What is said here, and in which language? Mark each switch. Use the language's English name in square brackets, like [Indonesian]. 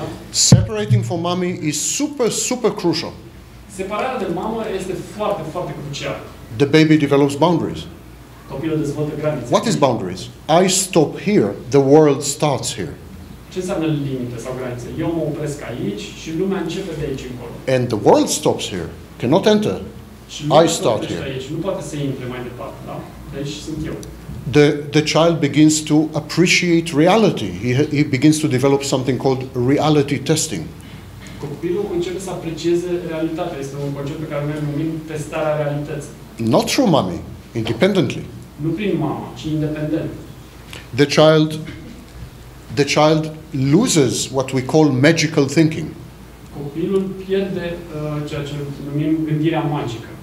[English] Separating from mommy is super, super crucial. [Romanian] Separarea de mamă este foarte, foarte crucial. [English] The baby develops boundaries. [Romanian] Copilul dezvoltă granițe. [English] What is boundaries? I stop here, the world starts here. [Romanian] Ce înseamnă limite sau granițe? Eu mă opresc aici și lumea începe de aici încolo. [English] And the world stops here, cannot enter. I start here. [Romanian] Aici. Nu poate să intre mai departe, da? Deci sunt eu. [English] The child begins to appreciate reality. He begins to develop something called reality testing. [Romanian] Copilul începe să aprecieze realitatea. Este un concept pe care noi numim testarea realității. [English] Not through mommy, independently. [Romanian] Nu prin mama, ci independent. [English] The child loses what we call magical thinking. [Romanian] Copilul pierde ceea ce numim gândirea magică.